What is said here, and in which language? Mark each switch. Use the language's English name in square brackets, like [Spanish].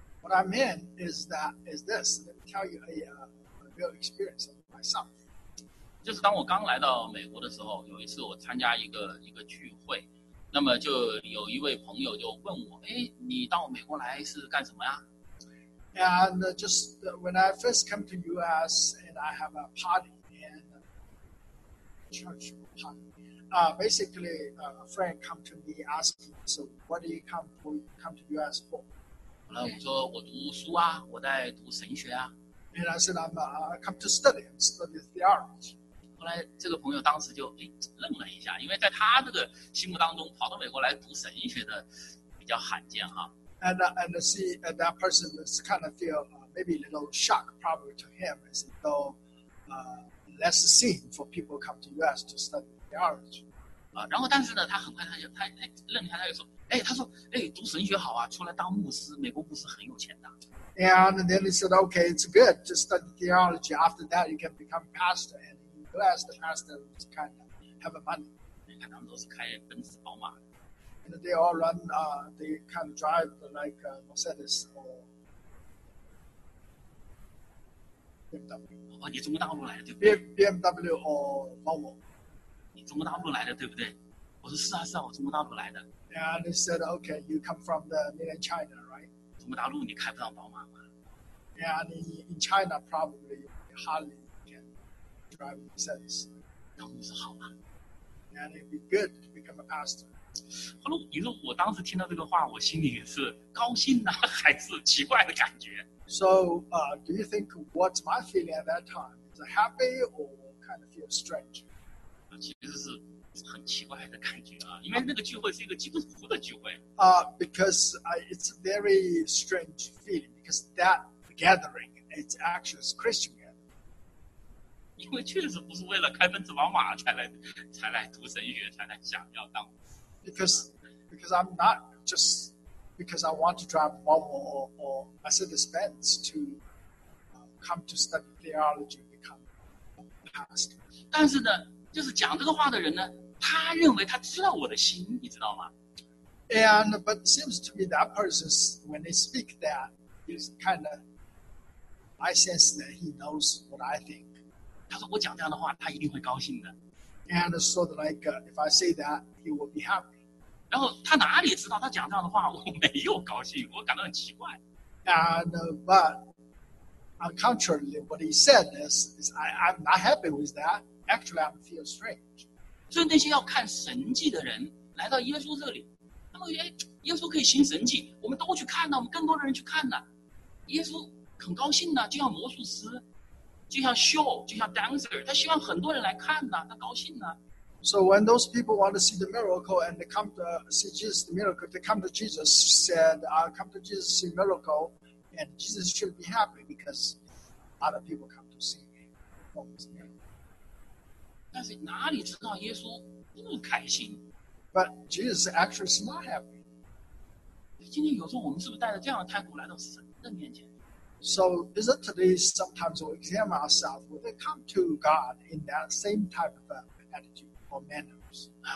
[English] What I mean is this. Let me tell you a real experience of myself. [Chinese] 就是当我刚来到美国的时候，有一次我参加一个聚会。那么就有一位朋友就问我，哎，你到美国来是干什么呀？ [English] And just when I first come to US and I have a party and church party, basically a friend come to me asking, so what do you come to US for? [Chinese] 后来我说我读书啊，我在读神学啊。 [English] And I said I'm come to study theology. [Chinese] 后来这个朋友当时就愣了一下，因为在他这个心目当中跑到美国来读神学的比较罕见哈。 [English] And see, and that person is kind of feel maybe a little shock probably to him, is though less seen for people come to US to study theology. [Chinese] 然后但是呢他很快他愣一下，他就说，读神学好啊，出来当牧师，美国牧师很有钱的。 [English] And then he said, okay, it's good to study theology. After that, you can become pastor. Glass, the pastor is kind of have a money. [Chinese] 你看他们都是开奔驰、宝马的。 [English] And they all run, they kind of drive like Mercedes or BMW. [Chinese] 哦，你中国大陆来的对不对 [English] ？BMW or Volvo. [Chinese] 你中国大陆来的对不对？我说是啊，是啊，我中国大陆来的。 [English] And they said, okay, you come from the mainland China, right? [Chinese] 中国大陆你开不上宝马吗 [English] ？And in China, probably hardly. [Chinese] 当牧师好吗 [English] ？And it'd be good to become a pastor. [Chinese] 后来你说我当时听到这个话，我心里是高兴呢，还是奇怪的感觉 [English] ？So, do you think what's my feeling at that time? Is it happy or kind of feel strange? [Chinese] 其实是很奇怪的感觉啊，因为那个聚会是一个基督徒的聚会。 [English] Because it's a very strange feeling because that gathering it's actually a Christian. [Chinese] 因为确实不是为了开奔驰宝马才来读神学，才来想要当。 [English] Because I'm not just because I want to drive Volvo or Mercedes Benz to come to study theology become a pastor. [Chinese] 但是呢，就是讲这个话的人呢，他认为他知道我的心，你知道吗？ [English] And but it seems to me that person when they speak that is kind of I sense that he knows what I think. [Chinese] 他说我讲这样的话，他一定会高兴的。 [English] And sort of like if I say that, he will be happy. [Chinese] 然后他哪里知道他讲这样的话，我没有高兴，我感到很奇怪。 [English] And but on contrary, what he said is I'm not happy with that. Actually, I feel strange. [Chinese] 所以那些要看神迹的人来到耶稣这里，他们觉得耶稣可以行神迹，我们都去看呢，我们更多的人去看呢，耶稣。很高兴呢，就像魔术师，就像秀，就像 dancer， 他希望很多人来看呢，他高兴呢。 [English] So when those people want to see the miracle and they come to see Jesus the miracle, they come to Jesus said, "I come to Jesus to see miracle," and Jesus should be happy because other people come to see him. What was that? [Chinese] 但是哪里知道耶稣不开心 [English] ？But Jesus actually is not happy. [Chinese] 今天有时候我们是不是带着这样的态度来到神的面前？ [English] So isn't today sometimes we examine ourselves when we come to God in that same type of attitude or manners?